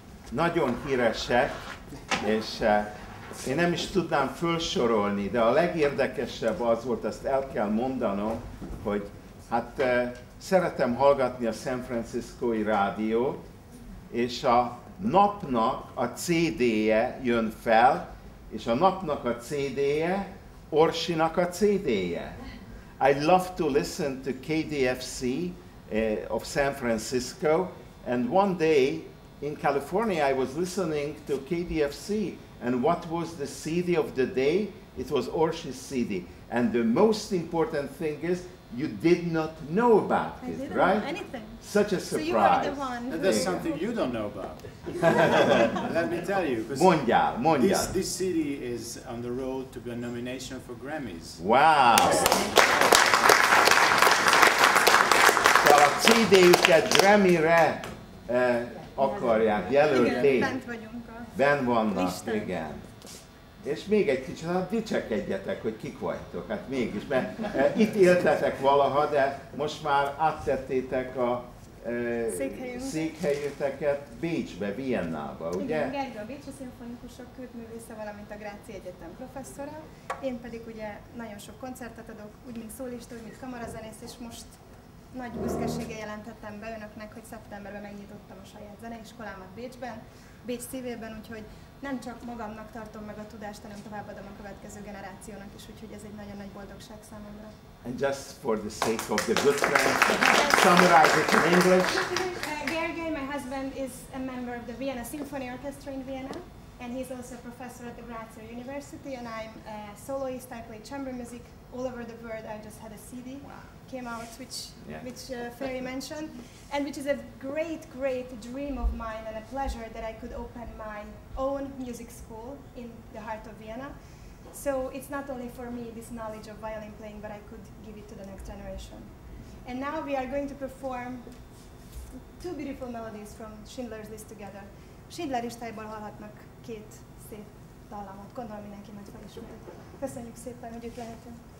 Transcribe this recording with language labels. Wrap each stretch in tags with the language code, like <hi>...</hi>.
<hu>Nagyon híresek, és én nem is tudnám felsorolni, de a legérdekesebb az volt, azt el kell mondanom, hogy hát szeretem hallgatni a San Franciscói rádiót, és a Napnak a CD-je jön fel, és a Napnak a CD-je Orsinak a CD-je.</hu> <en>I love to listen to KDFC of San Francisco, and one day in California I was listening to KDFC, and what was the CD of the day? It was Orsi's CD. And the most important thing is, you did not know about I it, right? I didn't know anything. Such a surprise. So you are the one. That's something you don't know about. Let me tell you.</en> <hu>Mondjál, mondjál.</hu> <en>This CD is on the road to be a nomination for Grammys. Wow.</en> <hu>So a CD-üket Grammy-re akarják, jelölték. Ben vannak, Isten. Igen. És még egy kicsit, hát dicsekedjetek, hogy kik vagytok, hát mégis, mert itt éltetek valaha, de most már áttettétek a székhelyeteket Bécsbe, Viennába, ugye? Igen, Gergő a Bécsi Szimfonikusok Kürtművésze, valamint a Grácz Egyetem professzora. Én pedig ugye nagyon sok koncertet adok, úgy mint szólista, úgy mint kamarazenész, és most nagy büszkeséggel jelentettem be önöknek, hogy szeptemberben megnyitottam a saját zeneiskolámat Bécsben, Bécs szívében, úgyhogy nem csak magamnak tartom meg a tudást, hanem továbbadom a következő generációnak is, úgyhogy ez egy nagyon nagy boldogság számomra.</hu> <en>And just for the sake of the good friends, summarize it in English. Gergely, my husband, is a member of the Vienna Symphony Orchestra in Vienna, and he's also a professor at the Graz University, and I'm a soloist, I play chamber music all over the world. I just had a CD. Wow. Came out, which Ferry mentioned, and which is a great, great dream of mine and a pleasure that I could open my own music school in the heart of Vienna. So it's not only for me, this knowledge of violin playing, but I could give it to the next generation. And now we are going to perform two beautiful melodies from Schindler's List together.</en> <hu>Schindler listájából hallhatnak két szép dallamot. Gondolom, mindenki nagy felismeri. Köszönjük szépen, hogy itt lehetünk.</hu>